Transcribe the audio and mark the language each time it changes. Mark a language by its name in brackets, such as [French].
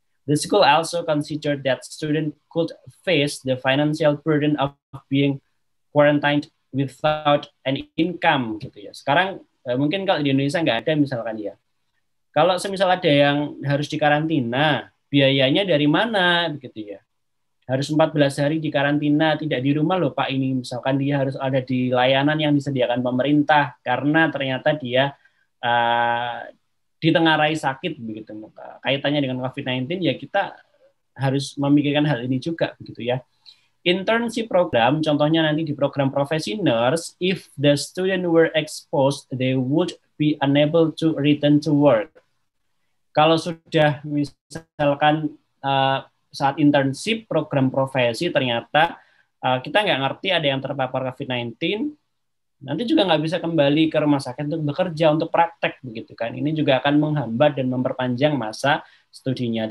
[English] The school also considered that student could face the financial burden of being quarantined without an income. [Indonesian] Gitu ya. Sekarang mungkin kalau di Indonesia nggak ada misalkan ya. Kalau semisal ada yang harus dikarantina, biayanya dari mana begitu ya? Harus 14 hari dikarantina, tidak di rumah loh Pak ini. Misalkan dia harus ada di layanan yang disediakan pemerintah karena ternyata dia ditengarai sakit begitu. Kaitannya dengan COVID-19 ya kita harus memikirkan hal ini juga begitu ya. [English] Internship program, [Indonesian] contohnya nanti di program profesi [English] nurse, if the student were exposed, they would be unable to return to work. [Indonesian] Kalau sudah misalkan saat internship program profesi ternyata kita nggak ngerti ada yang terpapar COVID-19, nanti juga nggak bisa kembali ke rumah sakit untuk bekerja, untuk praktek begitu kan. Ini juga akan menghambat dan memperpanjang masa studinya.